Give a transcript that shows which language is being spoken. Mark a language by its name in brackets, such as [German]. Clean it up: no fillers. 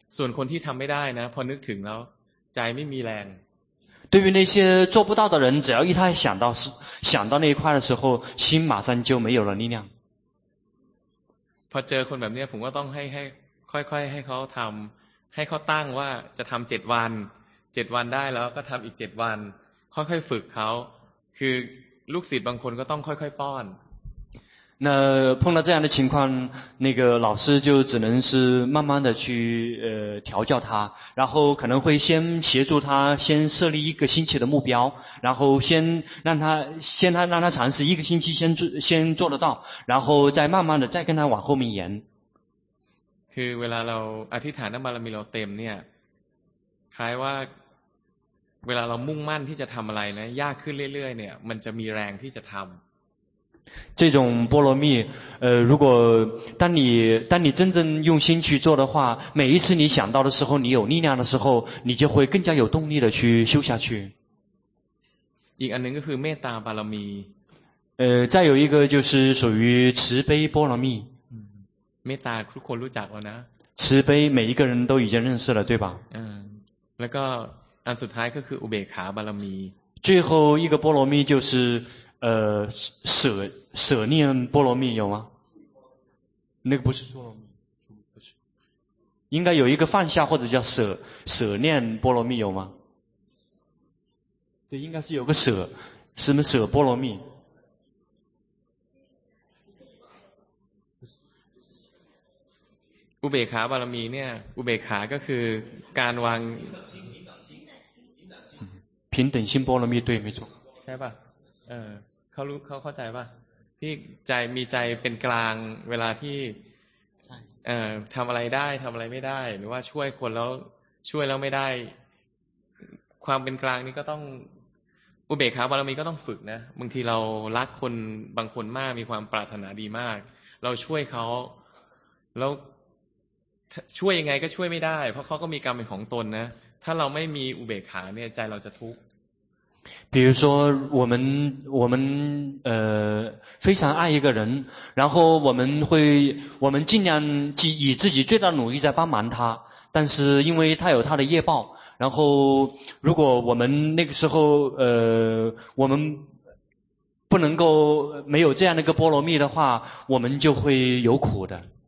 [Thai] ส่วนคนที่ทำไม่ได้นะพอนึกถึงแล้วใจไม่มีแรง [Chinese] 对于那些做不到的人只要一他想到那一块的时候心马上就没有了力量 [Thai] พอเจอคนแบบนี้ผมก็ต้องให้ค่อยๆให้เขาทำให้เขาตั้งว่าจะทำ7วัน7วันได้แล้วก็ทำอีก7วันค่อยๆฝึกเขาคือลูกศิษย์บางคนก็ต้องค่อยๆป้อน [Chinese] 那碰到这样的情况那个老师就只能是慢慢的去调教他然后可能会先协助他先设立一个星期的目标然后先让他尝试一个星期先做得到然后再慢慢的再跟他往后面延 [Thai] คือเวลาเราอธิษฐานบารมีเราเต็มเนี่ยคล้ายว่าเวลาเรามุ่งมั่นที่จะทำอะไรนะยากขึ้นเรื่อยๆเนี่ยมันจะมีแรงที่จะทำ [Chinese] 这种波罗蜜如果当你真正用心去做的话每一次你想到的时候你有力量的时候你就会更加有动力的去修下去 [Thai] อีกอันนึงก็คือเมตตาบารมี [Chinese] 再有一个就是属于慈悲波罗蜜 [Thai] เมตตาทุกคนรู้จักแล้วนะ [Chinese] 慈悲每一个人都已经认识了对吧 [Thai] แล้วก็อันสุดท้ายก็คืออุเบกขาบารมี [Chinese] 最后一个波罗蜜就是舍念波罗蜜有吗？那个不是波罗蜜，不是。应该有一个放下或者叫舍念波罗蜜有吗？对，应该是有个舍，什么舍波罗蜜？ [Thai] อุเบกขาบารมีเนี่ยอุเบกขาก็คือการวาง [Chinese] 平等心波罗蜜对没错 [Thai] ใช่ป่ะเออเขารู้เขาเข้าใจป่ะที่ใจมีใจเป็นกลางเวลาที่ เออทำอะไรได้ทำอะไรไม่ได้หรือว่าช่วยคนแล้วช่วยแล้วไม่ได้ความเป็นกลางนี่ก็ต้องอุเบกขาบารมีก็ต้องฝึกนะบางทีเรารักคนบางคนมากมีความปรารถนาดีมากเราช่วยเขาแล้วช่วยยังไงก็ช่วยไม่ได้เพราะเขาก็มีกรรมเป็นของตนนะถ้าเราไม่มีอุเบกขาเนี่ยใจเราจะทุกข์ [Chinese] 比如说我们非常爱一个人然后我们尽量以自己最大努力在帮忙他但是因为他有他的业报然后如果我们那个时候我们不能够没有这样的一个波罗蜜的话我们就会有苦的